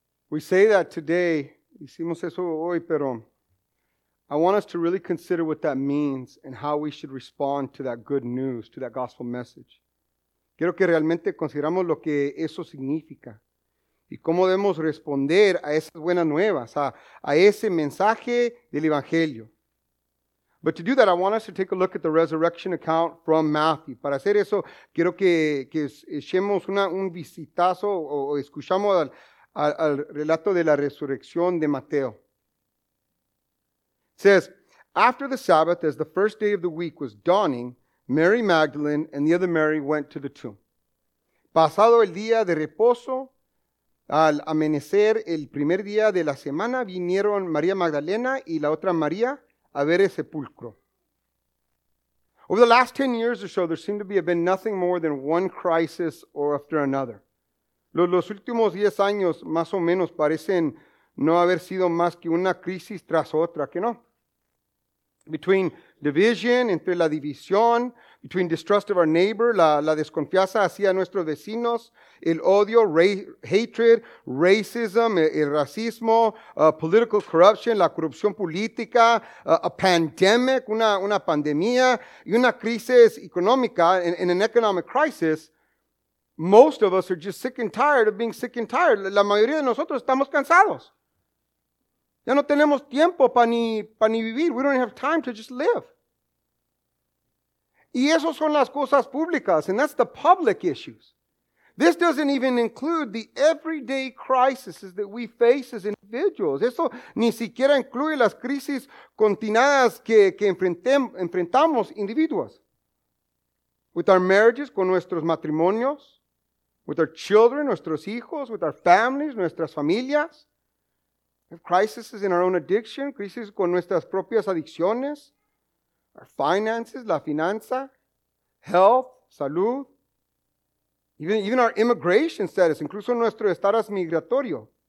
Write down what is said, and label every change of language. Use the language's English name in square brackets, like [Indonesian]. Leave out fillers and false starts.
[English] We say that today, [Spanish] hicimos eso hoy, [English] pero I want us to really consider what that means and how we should respond to that good news, to that gospel message. [Spanish] Quiero que realmente consideramos lo que eso significa y cómo debemos responder a esas buenas nuevas, a ese mensaje del Evangelio. [English] But to do that, I want us to take a look at the resurrection account from Matthew. [Spanish] Para hacer eso, quiero que echemos un visitazo o escuchamos al relato de la resurrección de Mateo. [English] It says, "After the Sabbath, as the first day of the week was dawning, Mary Magdalene and the other Mary went to the tomb." [Spanish] Pasado el día de reposo, al amanecer el primer día de la semana, vinieron María Magdalena y la otra María a ver el sepulcro. [English] Over the last 10 years or so, there seemed to have been nothing more than one crisis or after another. [Spanish] Los últimos 10 años, más o menos, parecen no haber sido más que una crisis tras otra, ¿qué no? [English] Between division, [Spanish] entre la división, [English] between distrust of our neighbor, [Spanish] la desconfianza hacia nuestros vecinos, el odio, [English] hatred, racism, [Spanish] el racismo, [English] political corruption, [Spanish] la corrupción política, [English] a pandemic, [Spanish] una pandemia, y una crisis económica, [English] and an economic crisis, most of us are just sick and tired of being sick and tired. [Spanish] La mayoría de nosotros estamos cansados. Ya no tenemos tiempo para ni vivir. [English] We don't have time to just live. [Spanish] Y esas son las cosas públicas, [English] and that's the public issues. This doesn't even include the everyday crises that we face as individuals. [Spanish] Eso ni siquiera incluye las crisis continuadas que enfrentamos individuos. [English] with our marriages, [Spanish] con nuestros matrimonios, [English] with our children, [Spanish] nuestros hijos, [English] with our families, [Spanish] nuestras familias. [English] We have crises in our own addiction, [Spanish] crisis con nuestras propias adicciones, [English] our finances, [Spanish] la finanza, [English] health, [Spanish] salud, [English] even our immigration status, [Spanish] incluso nuestro estatus migratorio.